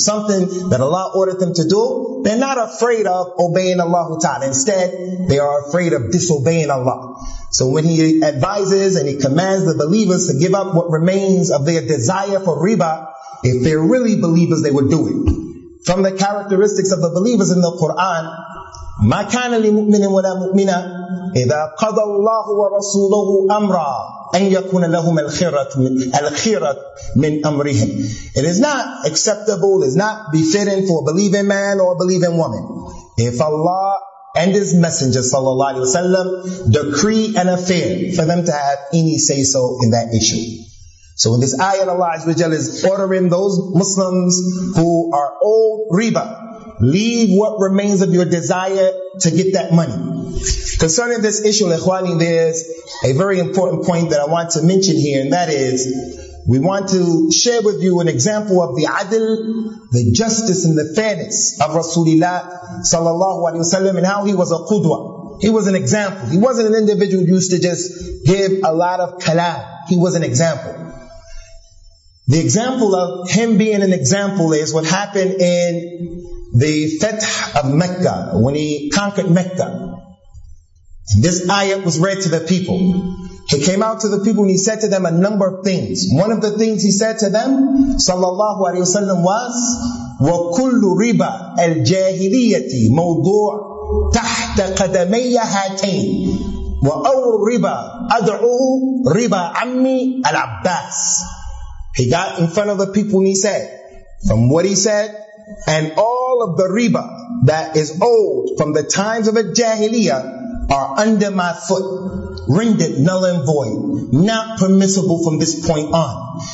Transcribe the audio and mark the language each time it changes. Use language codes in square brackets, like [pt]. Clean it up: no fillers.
[en] Something that Allah ordered them to do, they're not afraid of obeying Allah ta'ala. Instead, they are afraid of disobeying Allah. So when He advises and He commands the believers to give up what remains of their desire for riba, if they're really believers, they would do it. From the characteristics of the believers in the Quran, [ar] مَا كَانَ لِمُؤْمِنٍ وَلَا مُؤْمِنًا إِذَا قَضَى اللَّهُ وَرَسُولُهُ أَمْرًا أَنْ يَكُونَ لَهُمَ الْخِيرَةُ مِنْ أَمْرِهِمْ. [en] It is not acceptable, it is not befitting for a believing man or a believing woman, if Allah and His Messenger sallallahu alaihi wasallam decree an affair, for them to have any say-so in that issue. So in this ayat, Allah Azza wa Jalla is ordering those Muslims who are owed riba, leave what remains of your desire to get that money. Concerning this issue, Ikhwani, there's a very important point that I want to mention here, and that is, we want to share with you an example of the adl, the justice and the fairness of Rasulullah sallallahu alaihi wasallam, and how he was a qudwa. He was an example. He wasn't an individual who used to just give a lot of kalam. He was an example. The example of him being an example is what happened in the Fath of Mecca, when he conquered Mecca. And this ayat was read to the people. He came out to the people and he said to them a number of things. One of the things he said to them, sallallahu alayhi wasallam, was, [ar] وَكُلُّ رِبَا الْجَاهِلِيَّةِ مَوْضُوعٌ تَحْتَ قَدَمَيَّ هَاتَيْنِ وَأَوْرُ الرِّبَا أَدْعُوهُ رِبَا عَمِّي الْعَبَّاسِ. [en] He got in front of the people and he said, from what he said, and all of the riba that is owed from the times of a jahiliyyah are under my foot, rendered null and void, not permissible from this point on.